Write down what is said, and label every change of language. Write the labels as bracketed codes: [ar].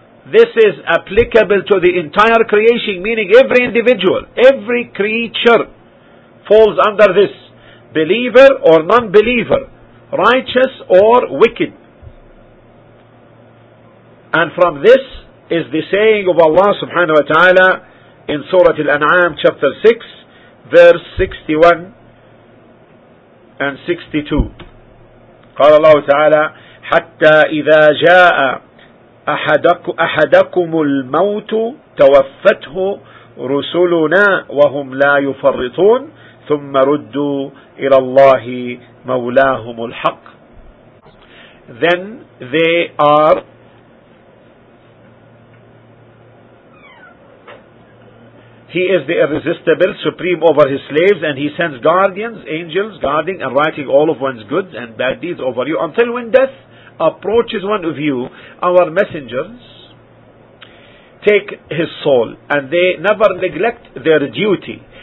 [en] This is applicable to the entire creation, meaning every individual, every creature falls under this, believer or non-believer, righteous or wicked. And from this is the saying of Allah subhanahu wa ta'ala in Surah Al-An'am chapter 6, verse 61 and 62. [ar] قال الله تعالى حتى إذا جاء أحدكم الموت توفته رسلنا وهم لا يفرطون ثم ردوا إلى الله مولاهم الحق. [en] Then they are He is the irresistible, supreme over His slaves, and He sends guardians, angels, guarding and writing all of one's goods and bad deeds over you. Until when death approaches one of you, our messengers take his soul, and they never neglect their duty.